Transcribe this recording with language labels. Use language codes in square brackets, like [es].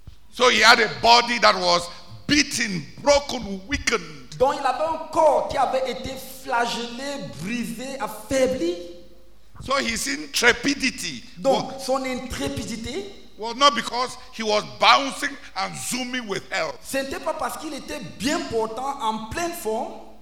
[en] So he had a body that was beaten, broken, weakened. [fr] Donc il avait un corps qui avait été flagellé, brisé, affaibli. [en] So his intrepidity. [fr] Donc son intrépidité. [en] Was not because he was bouncing and zooming with health. [fr] Ce n'était pas parce qu'il était bien portant en pleine forme.